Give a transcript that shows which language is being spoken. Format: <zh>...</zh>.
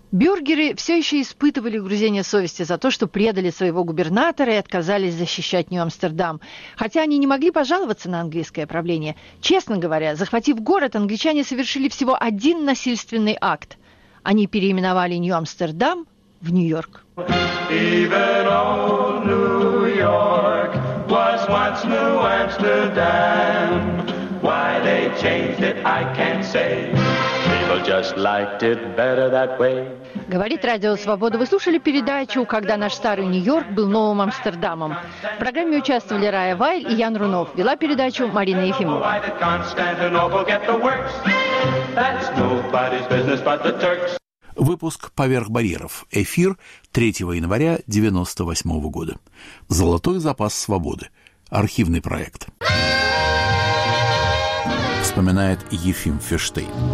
<ru>Бюргеры все еще испытывали угрызение совести за то, что предали своего губернатора и отказались защищать Нью-Амстердам. Хотя они не могли пожаловаться на английское правление. Честно говоря, захватив город, англичане совершили всего один насильственный акт. Они переименовали Нью-Амстердам в Нью-Йорк.</ru> <en>Even old New York was once New Amsterdam. Why they changed it, I can't say. People just liked it better that way.</en> <ru>Говорит Радио Свобода. Вы слушали передачу «Когда наш старый Нью-Йорк был новым Амстердамом». В программе участвовали Рая Вайль и Ян Рунов. Вела передачу Марина Ефимова.</ru> <en>Why did Constantinople get the works? That's nobody's business but the Turks.</en> <ru>Выпуск «Поверх барьеров». Эфир 3 января 1998 года. «Золотой запас свободы». Архивный проект. Вспоминает Ефим Фиштейн.</ru>